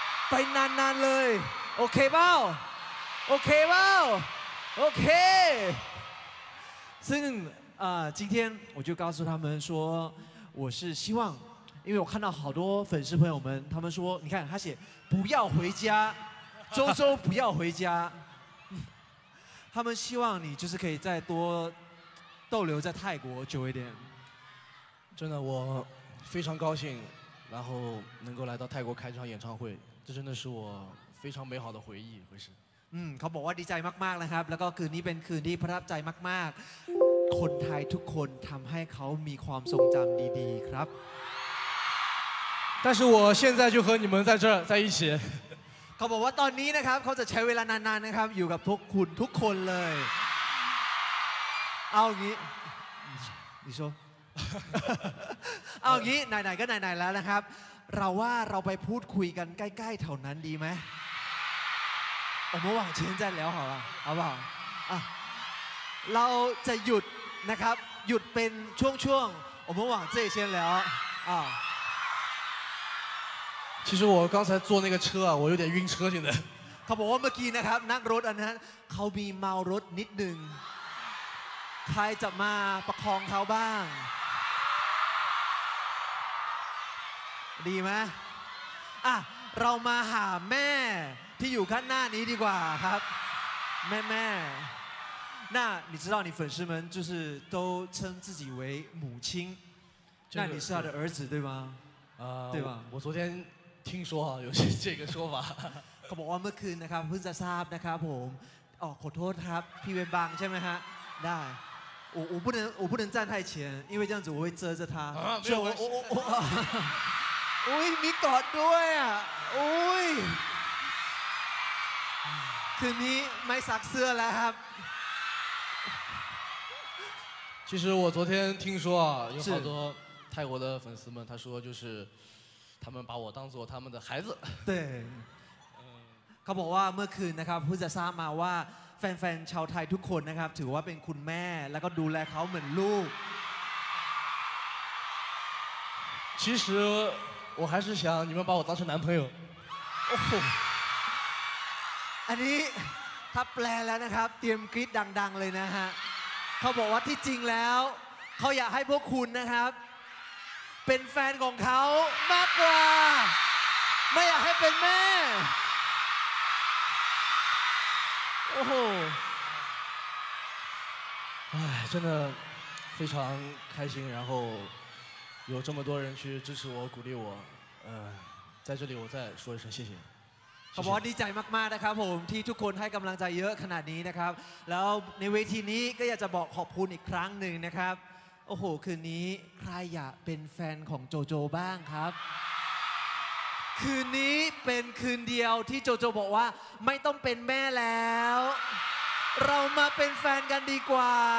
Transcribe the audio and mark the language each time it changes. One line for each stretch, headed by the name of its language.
Thai: ไปนานๆเลยโอเคเปล่าโอเคเปล่าโอเคซึ่งจริงๆผมก็จะ
Chinese: 告诉他们说我是希望因为我看到好多粉丝朋友们他们说你看他写不要回家周周不要回家他们希望你就是可以再多逗留在泰国久一点真的我非常高兴然后能够来到泰国开场演唱会这真的是我非常美好的回忆回事
Thai: เขาบอกว่าดีใจมากๆนะครับแล้วก็คืนนี้เป็นคืนที่ประทับใจมากๆคนไทยทุกคนทำให้เขามีความทรงจำดีๆครับ
Chinese: 但是我现在就和你们在这在一起
Thai: เขาบอกว่าตอนนี้นะครับเขาจะใช้เวลานานๆนะครับอยู่กับทุกคุณทุกคนเลยเอาอย่างนี้ดิโซเอาอย่างนี้ไหนๆก็ไหนๆแล้วนะครับเราว่าเราไปพูดคุยกันใกล้ๆแถวนั้นดีไหมเราไม่หวังเชิญจันแล้วเหรอเอาเปล่าเราจะหยุดนะครับหยุดเป็นช่วงๆ
Chinese: 我们往这先聊啊。其实我刚才坐那个车啊，我有点晕车现在。
Thai: เขาบอกว่าเมื่อกี้นะครับนั่งรถอันนั้นเขามีเมารถนิดหนึ่งใครจะมาประคองเขาบ้างดีไหมอ่ะเรามาหาแม่ที่อยู่ข้างหน้านี้ดีกว่าครับแม่แม่
Chinese: 那你知道你粉丝们就是都称自己为母亲那你是他的儿子对吗对吧我昨天听说啊有这个说法
Thai: เขาบอกว่าเมื่อคืนนะครับเพิ่งจะทราบนะครับผมอ๋อขอโทษครับพี่เวนบางใช่ไหมฮะได้
Chinese: 我不能站太前，因为这样子我会遮着他。啊，没有关系。喂，你搞对啊！
Thai: 喂，คืนนี้ไม่ซักเสื้อแล้วครับ。
Chinese: 其实我昨天听说啊，有好多泰国的粉丝们，他说就是他们把我当做他们的孩子。对。
Thai: 嗯，他บอกว่าเมื่อคืนนะครับเพิ่งจะทราบมาว่าแฟนๆชาวไทยทุกคนนะครับถือว่าเป็นคุณแม่แล้วก็ดูแลเขาเหมือนลูก
Chinese: 其实我还是想你们把我当成男朋友
Thai: อันนี้ถ้าแปลแล้วนะครับเตรียมกรี๊ดดังๆเลยนะฮะเขาบอกว่าที่จริงแล้วเขาอยากให้พวกคุณนะครับเป็นแฟนของเขามากกว่าไม่อยากให้เป็นแม่
Chinese: 哦，哎，真的非常开心，然后有这么多人去支持我、鼓励我，在这里我再说一声谢谢。
Thai: ขอบคุณดีใจมากๆนะครับผมที่ทุกคนให้กำลังใจเยอะขนาดนี้นะครับแล้วในเวทีนี้ก็อยากจะบอกขอบคุณอีกครั้งหนึ่งนะครับโอ้โหคืนนี้ใครอยากเป็นแฟนของโจโจบ้างครับคืนนี้เป็นคืนเดียวที่โจโจบอกว่าไม่ต้องเป็นแม่แล้วเรามาเป็นแฟนกันดีกว่า